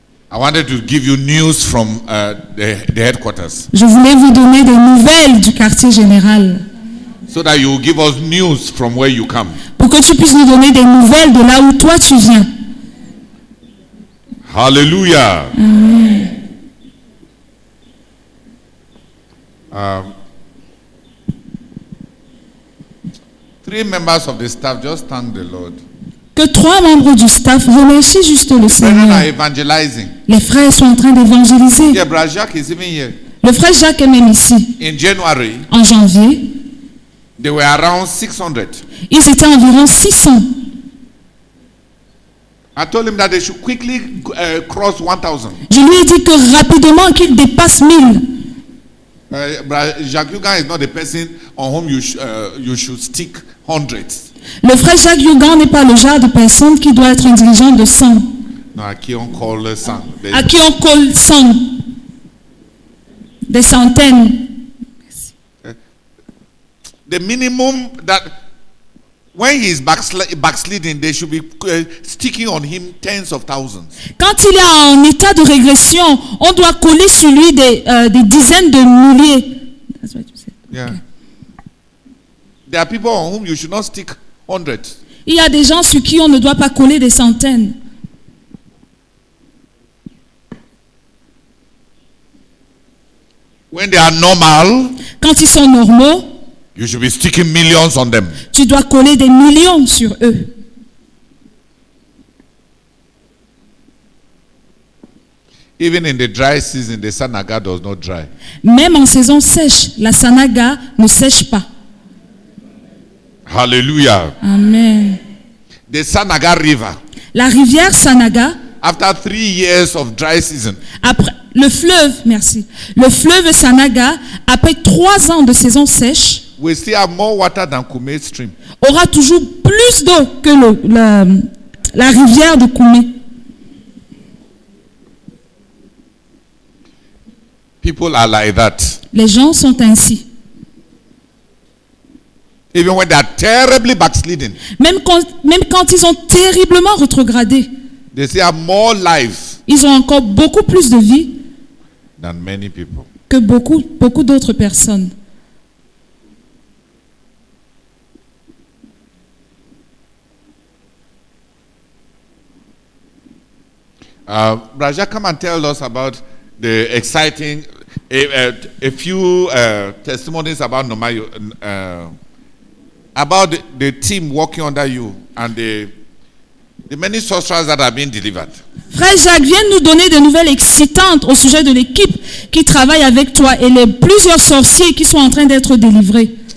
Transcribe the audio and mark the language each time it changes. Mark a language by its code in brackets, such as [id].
[en] I wanted to give you news from the headquarters. [fr] Je voulais vous donner des nouvelles du quartier général. [en] So that you give us news from where you come. [fr] Pour que tu puisses nous donner des nouvelles de là où toi tu viens. [en] Hallelujah. Three members of the staff just thank the Lord. [fr] Que trois membres du staff remercient juste le Seigneur. Les frères sont en train d'évangéliser. [en] Yeah, brother Jacques is even here. [fr] Le frère Jacques est même ici. [en] In January, [fr] en janvier, [en] they were around 600. [fr] Ils étaient environ 600. [en] I told him that they should quickly cross 1,000. [fr] Je lui ai dit que rapidement qu'ils dépassent 1,000. [en] Jacques Yougan is not the person on whom you should stick hundreds. [fr] Le frère Jacques Yougan n'est pas le genre de personne qui doit être un dirigeant de 100. Non, à qui on colle 100. À qui on colle 100. Des centaines. Merci. [en] The minimum that when he is backsliding, they should be sticking on him tens of thousands. [fr] Quand il est en état de régression, on doit coller sur lui des dizaines de milliers. [en] That's what you said. Yeah. Okay. There are people on whom you should not stick hundreds. [fr] Il y a des gens sur qui on ne doit pas coller des centaines. [en] When they are normal, [fr] quand ils sont normaux, [en] you should be sticking millions on them. [fr] Tu dois coller des millions sur eux. [en] Even in the dry season, the sanaga does not dry. [fr] Même en saison sèche, la sanaga ne sèche pas. [en] Hallelujah. Amen. The Sanaga River. [fr] La rivière Sanaga. [en] After 3 years of dry season. [fr] Après le fleuve, merci. Le fleuve Sanaga, après 3 ans de saison sèche. [en] We still have more water than Kume Stream. [fr] Aura toujours plus d'eau que la rivière de Kume. [en] People are like that. [fr] Les gens sont ainsi. [en] Even when they are terribly backsliding. [fr] Même quand ils ont terriblement rétrogradé. [en] They still have more life. [fr] Ils ont encore beaucoup plus de vie. [en] Than many people. [fr] Que beaucoup d'autres personnes. [en] Raja, come and tell us about the exciting a few testimonies about Nomayo. About the team working under you and the many sorcerers that have been delivered. [fr] Frère Jacques, viens nous donner des nouvelles excitantes au sujet de l'équipe qui travaille avec toi et les plusieurs sorciers qui sont en train d'être délivrés.